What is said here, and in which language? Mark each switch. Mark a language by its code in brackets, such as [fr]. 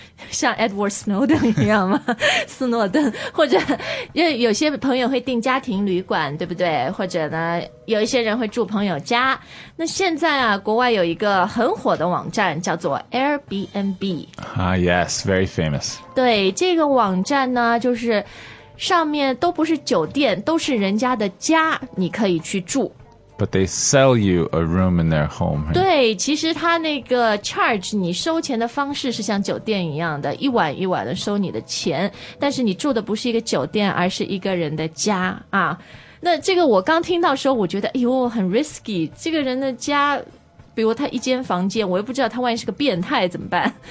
[zh] 像 Edward Snowden 一样吗斯诺顿或者因为有些朋友会订家庭旅馆对不对或者呢有一些人会住朋友家那现在啊国外有一个很火的网站叫做 Airbnb [en] Yes, very famous [zh] 对这个网站呢就是上面都不是酒店都是人家的家你可以去住 [en] But they sell you a room in their home、right? [zh] 对其实他那个 charge 你收钱的方式是像酒店一样的一晚一晚的收你的钱但是你住的不是一个酒店而是一个人的家啊。那这个我刚听到的时候我觉得哎呦很 risky 这个人的家比如他一间房间我又不知道他万一是个变态怎么办